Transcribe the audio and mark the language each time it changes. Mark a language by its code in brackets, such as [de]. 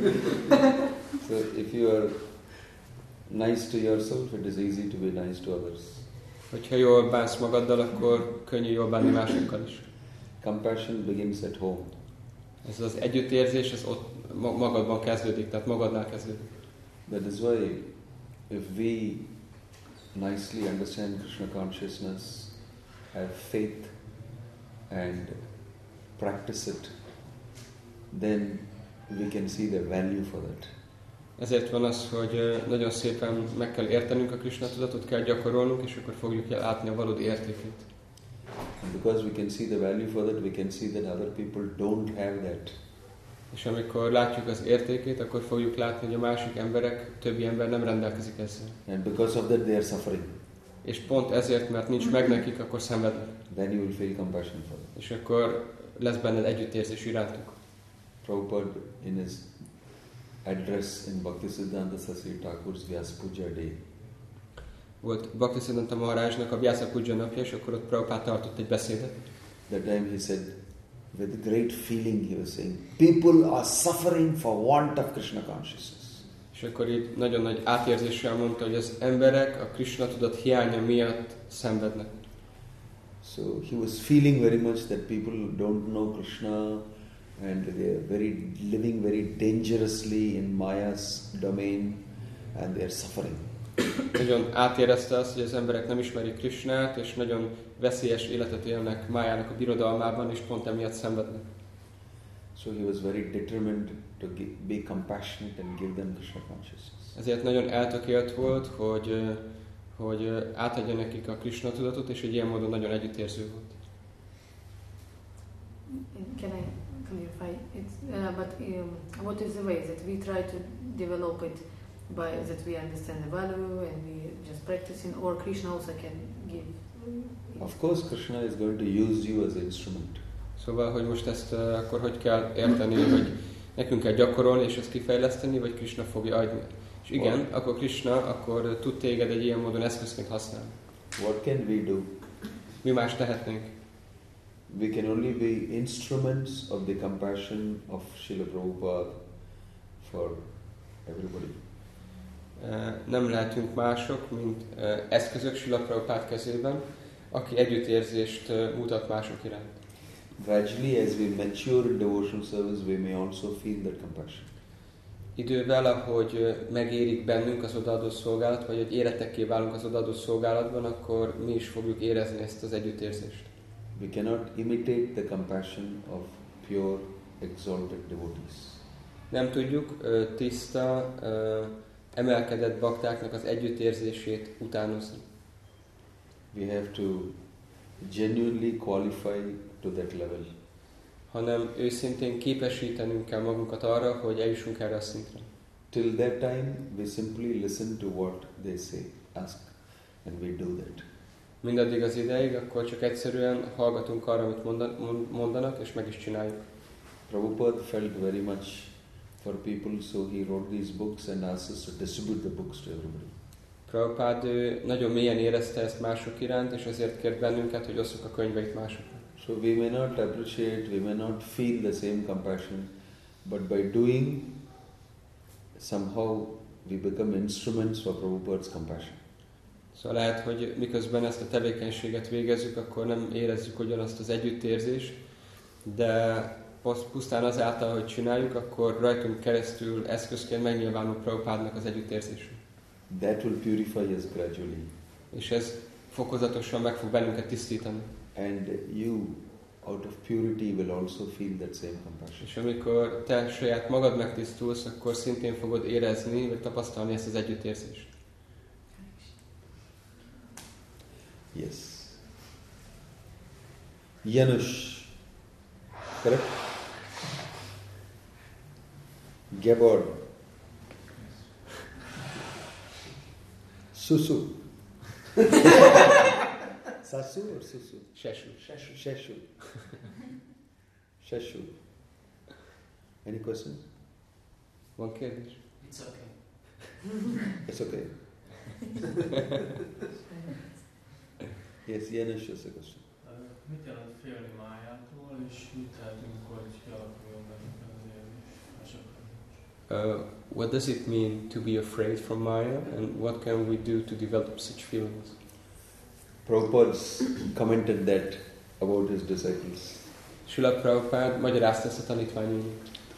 [en] So if you are nice to yourself, it is easy to be nice to others. [hu] Hogyha jól bánsz magaddal, akkor könnyű jól bánni másokkal is. [en] Compassion begins at home. [hu] Ez az együttérzés, ez ott magadban kezdődik, tehát magadnál kezdődik. [en] That is why, if we nicely understand Krishna consciousness, have faith and practice it, then we can see the value for that. [hu] Ezért van az, hogy nagyon szépen meg kell értenünk a Krishna tudatot, kell gyakorolnunk, és akkor fogjuk látni a valódi értékét. [en] And because we can see the value for that, we can see that other people don't have that. [hu] És amikor látjuk az értékét, akkor fogjuk látni, hogy a másik emberek, többi ember nem rendelkezik ezzel. [en] And because of that they are suffering. [hu] És pont ezért, mert nincs meg nekik, akkor szenvednek. [en] Then you will feel compassion for them. [hu] És akkor lesz benned együttérzés irántuk. [en] Prabhupada in his address in Bhaktisiddhanta Sasi Thakur's Vyasa Puja Day. [hu] Volt Bhaktisiddhanta Maharajnak a Vyasa Puja napja, és akkor ott Prabhupada tartott egy beszédet. [en] That time he said, with great feeling he was saying, people are suffering for want of Krishna consciousness. [hu] És akkor így nagyon nagy átérzéssel mondta, hogy az emberek a Krishna tudat hiánya miatt szenvednek. [en] So he was feeling very much that people don't know Krishna, and they are very living very dangerously in Maya's domain, and they are suffering. [hu] Nagyon átérezte azt, hogy az emberek nem ismerik Krishnát, és nagyon veszélyes életet élnek Mayának a birodalmában, és pont emiatt szenvednek. [en] So he was very determined to be compassionate and give them Krishna consciousness. [hu] Ezért nagyon eltökélt volt, hogy átadja nekik a Krishna tudatot, és egy ilyen módon nagyon együttérző volt. [en] What is the way that we try to develop it by that we understand the value and we just practice in, or Krishna also can give it? Of course Krishna is going to use you as an instrument. [hu] Szóval, hogy most ezt akkor hogy kell érteni, hogy nekünk kell gyakorolni és ezt kifejleszteni, vagy Krishna fogja adni. És igen, [en] what? [hu] Akkor Krishna akkor tud téged egy ilyen módon eszközként használni. [en] What can we do? [hu] Mi más tehetnénk? [en] We can only be instruments of the compassion of Srila Prabhupada for everybody. [hu] Nem lehetünk mások, mint eszközök Srila Prabhupada kezében, aki együttérzést mutat mások iránt. [en] Gradually, as we mature in devotional service, we may also feel that compassion. [hu] Idővel, ahogy megérik bennünk az odaadó szolgálat, vagy hogy érettekké válunk az odaadó szolgálatban, akkor mi is fogjuk érezni ezt az együttérzést. [en] We cannot imitate the compassion of pure, exalted devotees. [hu] Nem tudjuk tiszta, emelkedett baktáknak az együttérzését utánozni. [en] We have to genuinely qualify to that level. [hu] Hanem őszintén képesítenünk kell magunkat arra, hogy eljussunk erre a szintre. [en] Till that time we simply listen to what they say, ask, and we do that. [hu] Mindaddig az ideig, akkor csak egyszerűen hallgatunk arra, amit mondanak, és meg is csináljuk. [en] Prabhupada felt very much for people, so he wrote these books and asked us to distribute the books to everybody. [hu] Prabhupada nagyon mélyen érezte ezt mások iránt, és ezért kért bennünket, hogy osszuk a könyveit másoknak. [en] So we may not appreciate, we may not feel the same compassion, but by doing, somehow we become instruments for Prabhupada's compassion. [hu] Szóval lehet, hogy miközben ezt a tevékenységet végezzük, akkor nem érezzük ugyanazt az együttérzést, de pusztán azáltal, hogy csináljuk, akkor rajtunk keresztül eszközként megnyilvánul Prabhupádnak az együttérzésünk. [en] That will purify us gradually. [hu] És ez fokozatosan meg fog bennünket tisztítani. [en] And you, out of purity, will also feel that same compassion. [hu] És amikor te saját magad megtisztulsz, akkor szintén fogod érezni, vagy tapasztalni ezt az együttérzést. [en] Yes. Janusz. Correct? Gabor. Susu. Sasu or Susu? Sheshu. Sheshu. Any questions? One question. It's okay. It's okay. Yes, Janusz has a question. [hu] Mit jelent félni májától, és mit tehetünk, hogy kialakuljon bennünk az élmény? [en] What does it mean to be afraid from Maya, and what can we do to develop such feelings? Prabhupada commented that about his disciples. [hu] Srila Prabhupada magyarázta ezt a tanítványainak.